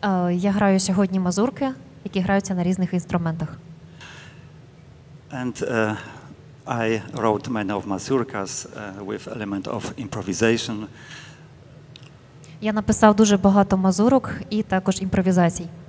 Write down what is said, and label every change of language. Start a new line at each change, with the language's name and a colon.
Ukrainian: Я граю сьогодні мазурки, які граються на різних інструментах.
English: And I wrote many of mazurkas with element of improvisation.
Ukrainian: Я написав дуже багато мазурок і також імпровізацій.